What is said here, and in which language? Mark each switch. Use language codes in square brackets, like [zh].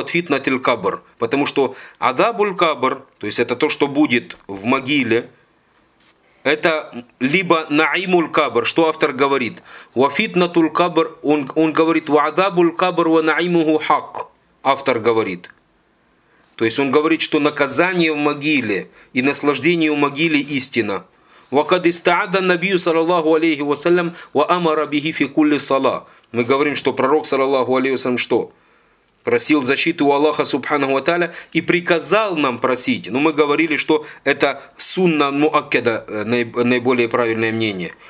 [ru] От фитнатиль кабр. Потому что адабуль кабр, то есть это то, что будет в могиле, это либо наимуль кабр, что автор говорит. Ва фитнатуль кабр, он говорит, ва адабуль кабр ва наимуху хак, автор говорит. То есть он говорит, что наказание в могиле и наслаждение в могиле истина. [ar] وقد استعاذ النبي صلى الله عليه وسلم وامر به في كل صلاه. [ru] Мы говорим, что пророк саллаллаху алейхи ва саллям что? Просил защиту у Аллаха субханаху ва тааля и приказал нам просить. Но мы говорили, что это сунна муаккада, наиболее правильное мнение.